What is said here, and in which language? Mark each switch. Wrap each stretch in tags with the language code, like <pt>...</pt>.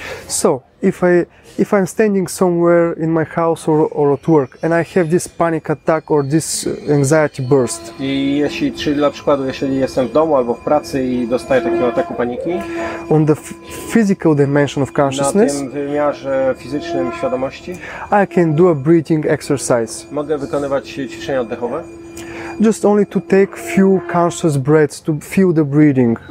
<en>So, if I'm standing somewhere in my house or at work and I have this panic attack or this anxiety burst.</en> <pl>I jeśli, czyli dla przykładu, jeśli jestem w domu albo w pracy i dostaję takiego ataku paniki.</pl> <en>On the physical dimension of consciousness.</en> <pl>Na tym wymiarze fizycznym świadomości.</pl> <en>I can do a breathing exercise.</en> <pl>Mogę wykonywać ćwiczenie oddechowe.</pl> <en>Just only to take few conscious breaths to feel the breathing.</en>